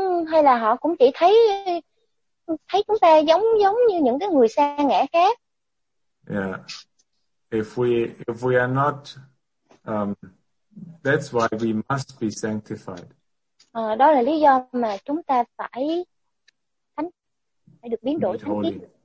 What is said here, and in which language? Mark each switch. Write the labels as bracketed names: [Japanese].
[Vietnamese] Hay là họ cũng chỉ thấy chúng ta giống như những cái người sa ngã khác? [English] Yeah, if we are not, that's why we must be sanctified. [Vietnamese] Đó là lý do mà chúng ta phải được biến đổi thánh.